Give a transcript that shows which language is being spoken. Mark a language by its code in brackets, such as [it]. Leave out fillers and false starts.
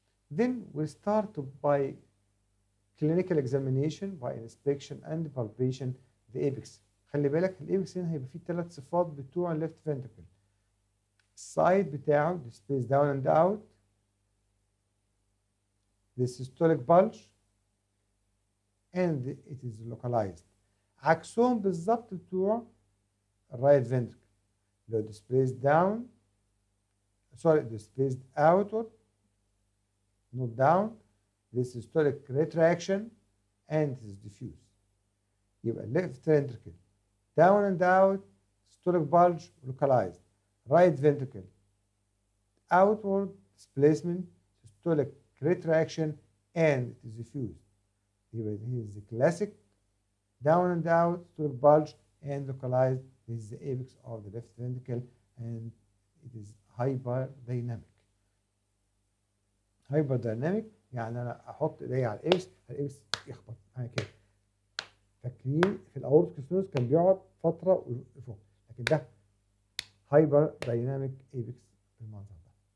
[en] Then we start to, by clinical examination, by inspection and palpation, the apex. [ar] خلي بالك الابيكس هنا هيبقى فيه ثلاث صفات بتوع left ventricle. السايد بتاعه [en] displays down and out. The systolic bulge. And it is localized. [ar] عكسهم بالظبط بتوع right ventricle. [en] لو displays down. Sorry, displays outward. Not down. This systolic retraction. And it is diffuse. يبقى left ventricle. Down and out, systolic bulge, localized. Right ventricle, outward displacement, systolic retraction, and it is diffused. Here is the classic, down and out, systolic bulge, and localized. This is the apex of the left ventricle, and it is hyperdynamic. [ar] Hyperdynamic, يعني أنا أحط إيدي على الإبس, الإبس يخبط. فاكرين في الأورتيك ستينوسيس كان بيقعد فترة فوق لكن ده هايبر دايناميك ايبكس في المنظر ده.